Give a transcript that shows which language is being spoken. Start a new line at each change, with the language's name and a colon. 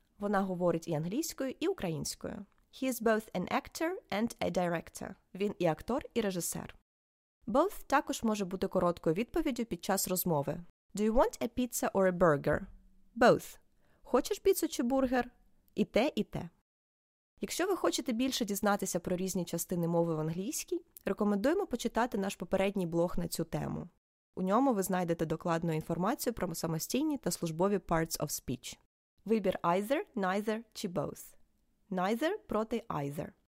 Ukrainian: Вона говорить і англійською, і українською.
English: He is both an actor and a director.
Ukrainian: Він і актор, і режисер. Both також може бути короткою відповіддю під час розмови.
English: Do you want a pizza or a burger?
Ukrainian: Both. Хочеш піцу чи бургер? І те, і те. Якщо ви хочете більше дізнатися про різні частини мови в англійській, рекомендуємо почитати наш попередній блог на цю тему. У ньому ви знайдете докладну інформацію про самостійні та службові parts of speech. Вибір either, neither чи both. Neither проти either.